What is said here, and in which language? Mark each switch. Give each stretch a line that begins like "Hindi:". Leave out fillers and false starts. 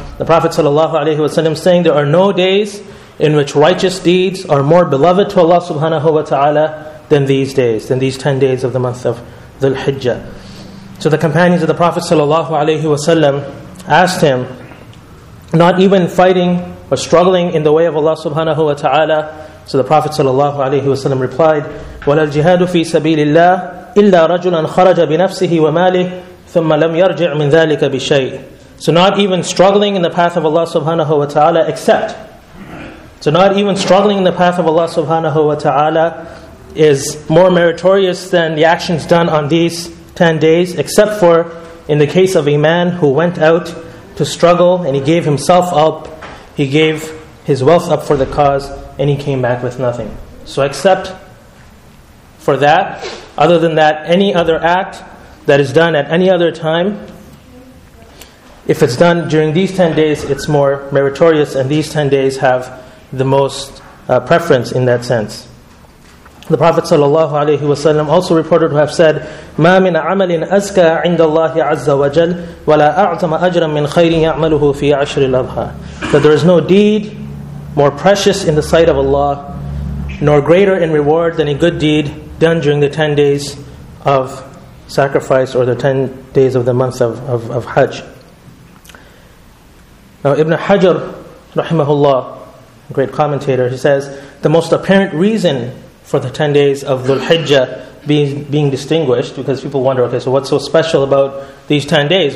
English: The Prophet ﷺ saying there are no days in which righteous deeds are more beloved to Allah subhanahu wa ta'ala than these days, than these 10 days of the month of Dhul-Hijjah. So the companions of the Prophet ﷺ asked him, not even fighting or struggling in the way of Allah subhanahu wa ta'ala. So the Prophet ﷺ replied,
Arabic: وَلَا الْجِهَادُ فِي سَبِيلِ اللَّهِ إِلَّا رَجُلًا خَرَجَ بِنَفْسِهِ وَمَالِهِ ثُمَّ لَمْ يَرْجِعْ مِنْ ذَلِكَ بِشَيْءٍ.
English: So not even struggling in the path of Allah subhanahu wa ta'ala except. So not even struggling in the path of Allah subhanahu wa ta'ala is more meritorious than the actions done on these 10 days, except for in the case of a man who went out to struggle and he gave himself up, he gave his wealth up for the cause, and he came back with nothing. So except for that, other than that, any other act that is done at any other time, if it's done during these 10 days, it's more meritorious, and these 10 days have the most preference in that sense. The Prophet sallallahu alayhi wa sallam also reported to have said,
Arabic: مَا مِنْ عَمَلٍ أَزْكَى عِنْدَ اللَّهِ عَزَّ وَجَلْ وَلَا أَعْظَمَ أَجْرًا مِنْ خَيْرٍ يَعْمَلُهُ فِي عَشْرِ الْأَضْحَى.
English: That there is no deed more precious in the sight of Allah, nor greater in reward than a good deed done during the 10 days of sacrifice, or the 10 days of the month of Hajj. Now Ibn Hajar rahimahullah, great commentator, he says, the most apparent reason for the 10 days of Dhul-Hijjah being distinguished, because people wonder, okay, so what's so special about these 10 days?